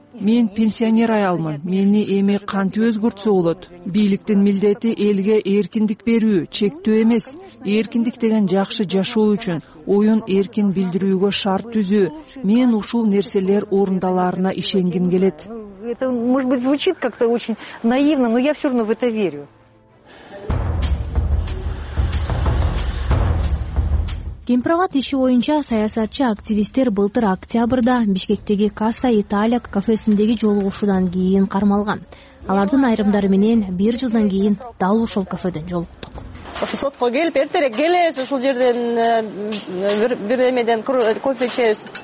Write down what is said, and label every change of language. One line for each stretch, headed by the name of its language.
Kyrgyz: Мен пенсионер аялмын. Мени эми кантип өзгөртсө болот? Бийликтин милдети элге эркиндик берүү, чектөө эмес. Эркиндик деген жакшы жашоо үчүн оюн эркин билдирүүгө шарт түзүү. Мен ушул нерселер орундаларына ишенгим келет.
Russian: Это, может быть, звучит как-то очень наивно, но я всё равно в это верю.
Kyrgyz: Кемпир абат иши боюнча саясатчы активисттер былтыр октябрда Бишкектеги Каса Италия кафесиндеги жолугушуудан кийин кармалган. Алардын айрымдары менен бир жылдан кийин дал ушул кафеден жолуктук. Ошо сотко келип эртерээк келесиз, ушул жерден бир эмеден кофе ичебиз.